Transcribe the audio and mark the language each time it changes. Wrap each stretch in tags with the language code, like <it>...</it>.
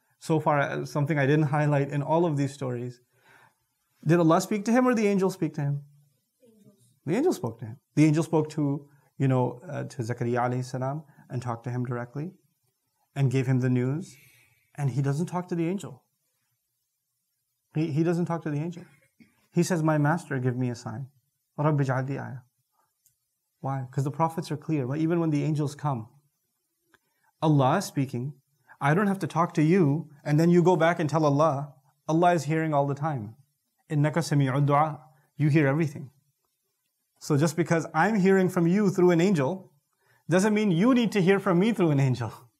<en>So far, something I didn't highlight in all of these stories. Did Allah speak to him or the angel speak to him? Angels. The angel spoke to him. The angel spoke to, you know, to Zakariya alayhi salam and talked to him directly and gave him the news. And he doesn't talk to the angel. He doesn't talk to the angel. He says, my master, give me a sign.</en> <ar>رَبِّ اجْعَلْ لِي آيَةً</ar> <en>Why? Because the prophets are clear. Well, even when the angels come, Allah is speaking. I don't have to talk to you, and then you go back and tell Allah. Allah is hearing all the time.</en> <ar>إِنَّكَ سَمِيعُ الدُّعَى</ar> <en>You hear everything. So just because I'm hearing from you through an angel, doesn't mean you need to hear from me through an angel.</en>